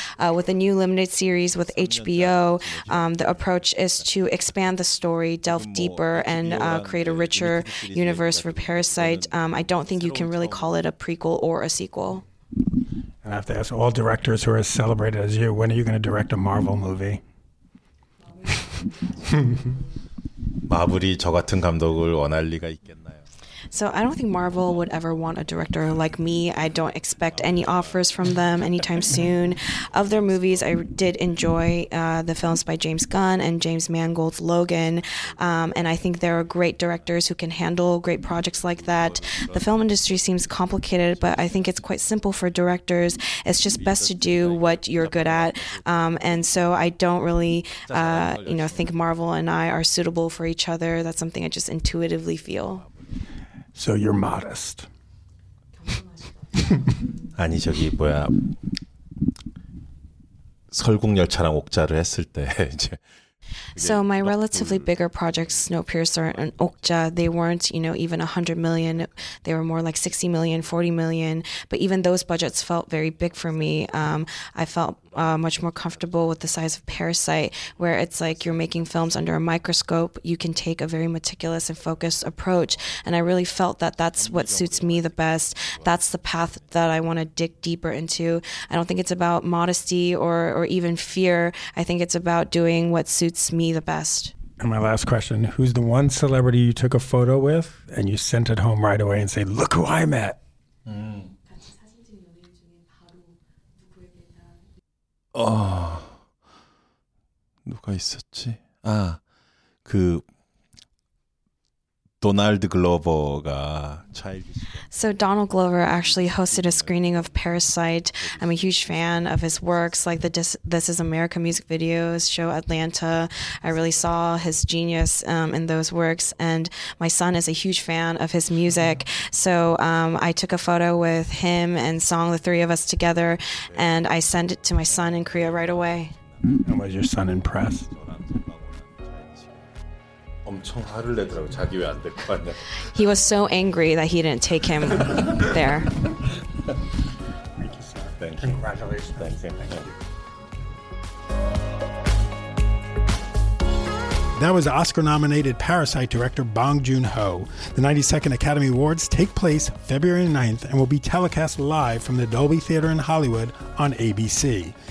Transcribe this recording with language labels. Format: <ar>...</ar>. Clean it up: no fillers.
<en>With a new limited series with HBO, the approach is to expand the story, delve deeper, and create a richer universe for Parasite. I don't think you can really call it a prequel or a sequel. And I have to ask all directors who are as celebrated as you, when are you going to direct a Marvel movie?</en> <ko>마블이 저 같은 감독을 원할 리가 있겠나요?</ko> <en>So I don't think Marvel would ever want a director like me. I don't expect any offers from them anytime soon. Of their movies, I did enjoy the films by James Gunn and James Mangold's Logan. And I think there are great directors who can handle great projects like that. The film industry seems complicated, but I think it's quite simple for directors. It's just best to do what you're good at. And so I don't really think Marvel and I are suitable for each other. That's something I just intuitively feel. So you're modest.</en> <ko>아니 저기 뭐야 설국열차랑 옥자를 했을 때 이제</ko> <en>So my relatively bigger projects, Snowpiercer and Okja, they weren't, you know, even 100 million. They were more like 60 million, 40 million. But even those budgets felt very big for me. I felt much more comfortable with the size of Parasite, where it's like you're making films under a microscope. You can take a very meticulous and focused approach. And I really felt that that's what suits me the best. That's the path that I want to dig deeper into. I don't think it's about modesty or even fear. I think it's about doing what suits me the best. And my last question, who's the one celebrity you took a photo with and you sent it home right away and say, look who I met? Oh,</en> <ko>누가 있었지? 아, 그 도널드 글로버가 차일드.</ko> <en>So Donald Glover actually hosted a screening of Parasite. I'm a huge fan of his works, like the This Is America music videos, show Atlanta. I really saw his genius in those works. And my son is a huge fan of his music. So I took a photo with him and song, the three of us together, and I sent it to my son in Korea right away. And was your son impressed?</en> <ko>엄청 화를 내더라고 자기 왜 안 될 것 같냐.</ko> <en>He was so angry that he didn't take him there. Thank you, sir. Thank you. Congratulations. Thank you. Thank you. That was Oscar-nominated Parasite director Bong Joon-ho. The 92nd Academy Awards take place February 9th and will be telecast live from the Dolby Theater in Hollywood on ABC.</en>